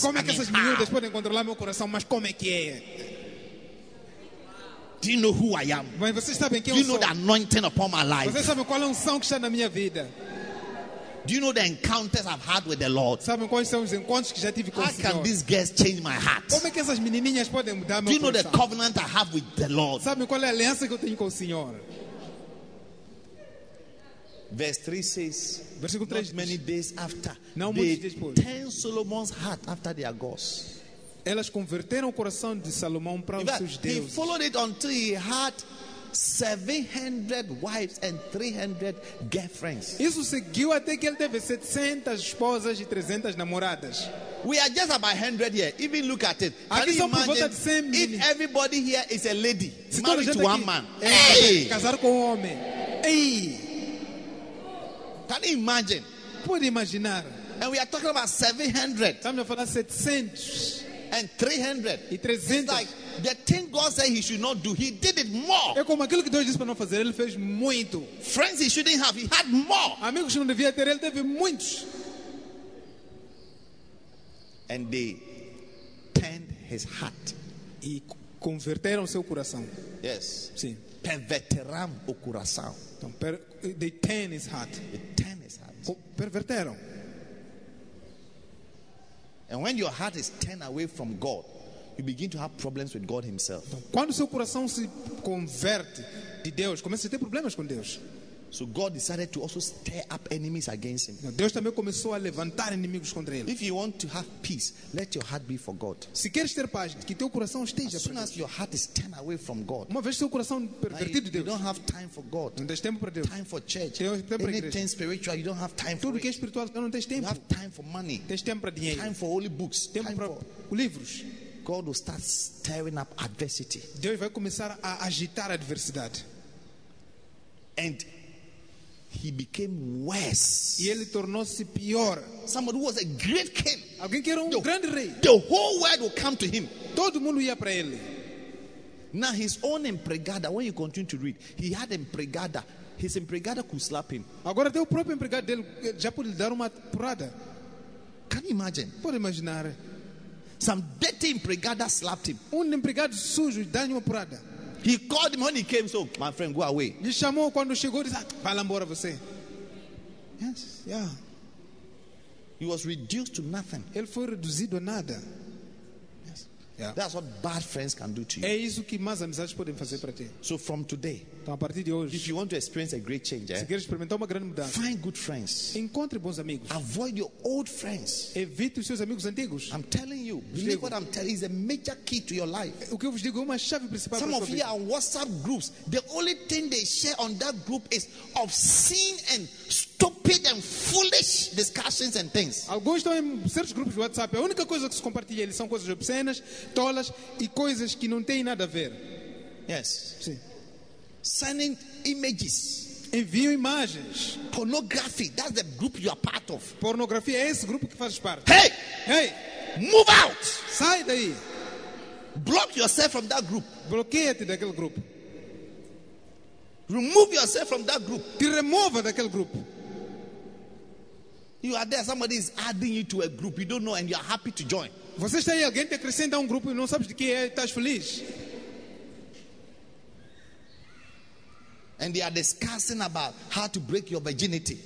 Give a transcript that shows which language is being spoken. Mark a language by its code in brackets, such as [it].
[pt] Como é que essas meninas podem controlar meu coração? Mas como é que é? [en] Do you know who I am? [pt] Mas vocês sabem quem eu sou? [en] know the anointing upon my life? [pt] Vocês sabem qual é a unção que está na minha vida? [en] Do you know the encounters I've had with the Lord? [pt] Sabe quais são os encontros que já tive com o Senhor? [en] How can these girls change my heart? [pt] Como é que essas menininhas podem mudar meu coração? [en] Do you know the covenant I have with the Lord? [pt] Sabe qual é a aliança que eu tenho com o Senhor? [en] Verse 3 says, [pt] versículo 3 [en] not many days after, [pt] não [en] they [pt] depois, [en] turned Solomon's heart after their gods. [pt] Elas converteram o coração de Salomão para os seus deuses. [en] He followed it until he had 700 wives and 300 girlfriends. [pt] Isso seguiu até que ele teve 700 esposas e 300 namoradas. [en] We are just about 100 here. Even look at it. [pt] Aqui [en] can you imagine the same if everybody here is a lady [pt] se [en] married to one man? [pt] É, hey! Casar com um homem. [en] Hey! Can you imagine? [pt] Pode imaginar. [en] And we are talking about 700. [pt] Estamos a falar de 700. [en] And 300. [pt] E 300. [en] It's like the thing God said he should not do, he did it more. [pt] É como aquilo que Deus disse para não fazer, ele fez muito. [en] Friends he shouldn't have, he had more. [pt] Amigos não devia ter, ele teve muitos. [en] And they turned his heart. [pt] E converteram seu coração. [en] Yes. [pt] Sim. Perverteram o coração. [en] Então, they turned his heart. They turned his heart. [pt] Perverteram. [en] And when your heart is turned away from God, you begin to have problems with God himself. [pt] Então, quando seu coração se converte de Deus, começa a ter problemas com Deus. [en] So God decided to also stir up enemies against him. [pt] Deus também começou a levantar inimigos contra ele. [en] If you want to have peace, let your heart be for God. [pt] Se queres ter paz, que teu coração esteja para Deus. [en] As soon as your heart is turned away from God, [pt] uma vez seu coração pervertido de Deus, [en] you don't have time for God. [pt] Não tens tempo para Deus. [en] Time for church. Anything spiritual, you don't have time for. [pt] Tudo que é espiritual, não tens tempo. [en] You have time for money. [pt] Tens tempo para dinheiro. [en] Time for holy books. [pt] Tempo para livros. [en] God will start stirring up adversity. [pt] Deus vai começar a agitar a adversidade. [en] And he became worse. [pt] E ele tornou-se pior. [en] Somebody who was a great king. [pt] Alguém que era grande rei. [en] The whole world would come to him. [pt] Todo mundo ia para ele. [en] Now his own empregada, when you continue to read, he had empregada. His empregada could slap him. [pt] Agora até o próprio empregado dele já pôde lhe dar uma porrada. [en] Can you imagine? [pt] Pode imaginar. [en] Some dirty empregada slapped him. [pt] Empregado sujo deu-lhe uma porrada. [en] He called him when he came, so my friend, go away. [pt] Ele chamou quando chegou, disse, vai lá embora você. [en] Yes. Yeah. He was reduced to nothing. [pt] Ele foi reduzido a nada. [en] Yes. Yeah. That's what bad friends can do to you. [pt] É isso que más amizades podem fazer para ti. [en] So from today, [pt] então, a partir de hoje, [en] if you want to experience a great change, [pt] se quer experimentar uma grande mudança, [en] find good friends. [pt] Encontre bons amigos. [en] Avoid your old friends. [pt] Evite os seus amigos antigos. [en] I'm telling you, believe what I'm telling you is a major key to your life. [pt] O que eu vos digo é uma chave principal. [en] Some of you are on WhatsApp groups. The only thing they share on that group is obscene and stupid and foolish discussions and things. [pt] Alguns estão em certos grupos de WhatsApp. A única coisa que se compartilha são coisas obscenas, tolas e coisas que não têm nada a ver. [en] Yes. [pt] Sim. [en] Sending images. [pt] Envio imagens. [en] Pornography. That's the group you are part of. [pt] Pornografia é esse grupo que fazes parte. Hey! Hey! [en] Move out! [pt] Sai daí! [en] Block yourself from that group. [pt] Bloqueia-te daquele grupo. [en] Remove yourself from that group. [pt] Te remova daquele grupo. [en] You are there, somebody is adding you to a group you don't know and you are happy to join. [pt] Você está aí, alguém te acrescenta a grupo e não sabes de que é, estás feliz. [en] And they are discussing about how to break your virginity.